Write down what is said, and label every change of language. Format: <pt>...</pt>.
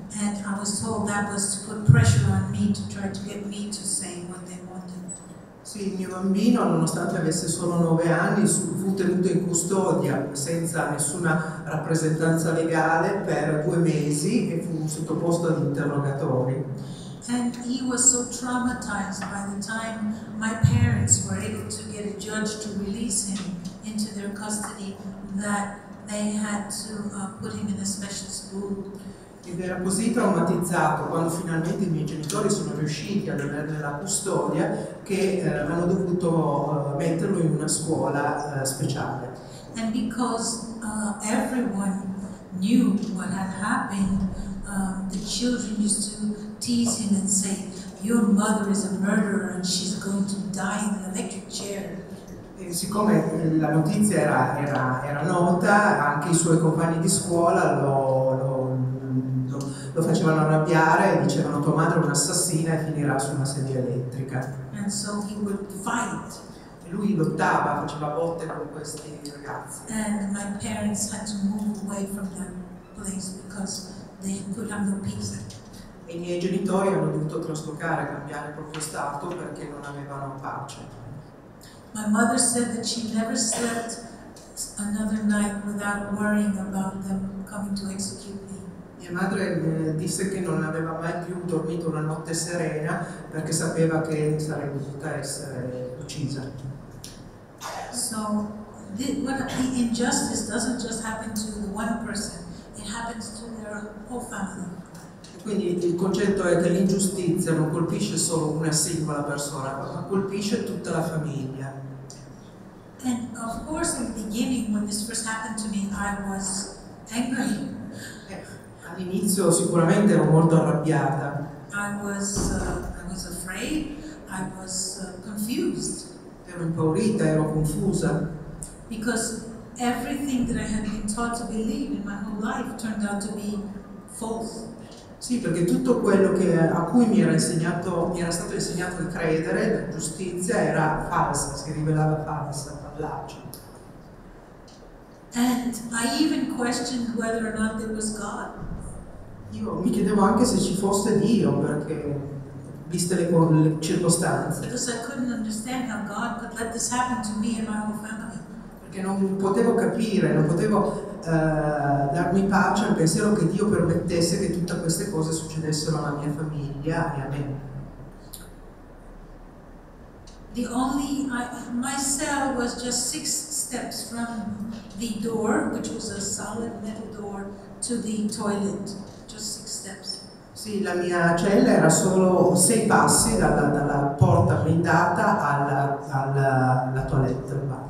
<en>And I was told that was to put pressure on me to try to get me to say what they wanted.</en> <it>Sì, il mio bambino, nonostante avesse solo 9 anni, fu tenuto in custodia senza nessuna rappresentanza legale per 2 mesi e fu sottoposto ad interrogatori.</it> <en>And he was so traumatized by the time my parents were able to get a judge to release him into their custody that they had to put him in a special school.</en> <it>Ed era così traumatizzato quando finalmente i miei genitori sono riusciti ad averne la custodia che hanno dovuto metterlo in una scuola speciale.</it> <en>And because everyone knew what had happened, the children used to tease him and say, "Your mother is a murderer and she's going to die in the electric chair."</en> <it>E siccome la notizia era nota, anche i suoi compagni di scuola lo facevano arrabbiare e dicevano: "Tua madre è un'assassina e finirà su una sedia elettrica."</it> <en>And so he would fight.</en> <it>E lui lottava, faceva botte con questi ragazzi.</it> <en>And my parents had to move away from that place because they could have no peace.</en> <it>E i miei genitori hanno dovuto traslocare, cambiare proprio stato perché non avevano pace.</it> <en>My mother said that she never slept another night without worrying about them coming to execute me.</en> <it>Mia madre disse che non aveva mai più dormito una notte serena perché sapeva che sarebbe potuta essere uccisa.</it> <en>So, the injustice doesn't just happen to the one person, it happens to their whole family.</en> <it>Quindi il concetto è che l'ingiustizia non colpisce solo una singola persona, ma colpisce tutta la famiglia.</it> <en>And of course, in the beginning, when this first happened to me, I was angry.</en> <it>All'inizio sicuramente ero molto arrabbiata.</it> <en>I was afraid. I was confused.</en> <it>Ero impaurita, ero confusa.</it> <en>Because everything that I had been taught to believe in my whole life turned out to be false.</en> <it>Sì, perché tutto quello che, a cui mi era stato insegnato di credere, la giustizia, era falsa, si rivelava falsa, fallace.</it> <en>And I even questioned whether or not there was God.</en> <it>Io mi chiedevo anche se ci fosse Dio, perché viste le circostanze.</it> <en>Because I couldn't understand how God could let this happen to me and my whole family.</en> <it>Perché non potevo capire, non potevo darmi pace al pensiero che Dio permettesse che tutte queste cose succedessero alla mia famiglia e a me.</it> <en>My cell was just 6 steps from the door, which was a solid metal door, to the toilet. Just 6 steps.</en> <it>Sì, la mia cella era solo 6 passi dalla porta blindata alla toilette.</it>